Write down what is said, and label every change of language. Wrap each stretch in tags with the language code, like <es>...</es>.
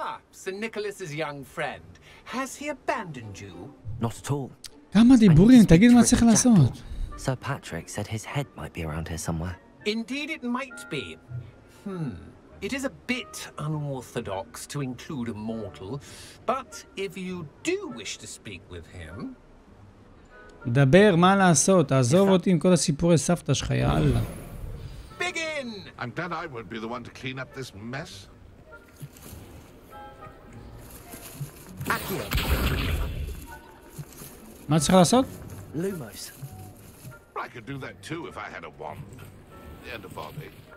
<en>Sir Nicholas's young friend. Has he abandoned you? Not at all.</en> <he>כמה דיבורים, תגיד מה צריך לעשות.</he> <en>Sir Patrick said his head might be around here somewhere. Indeed it might be. It is a bit unorthodox to include a mortal, but if you do wish to speak with him...</en> <he>דבר, מה לעשות? עזוב אותי עם כל הסיפורי סבתא שלך, יאללה.</he> <en>Begin! I'm glad I won't be the one to clean up this mess.</en> <he>מה צריך לעשות? לומוס.</he> <en>I could do that too if I had a wand. And a body.</en>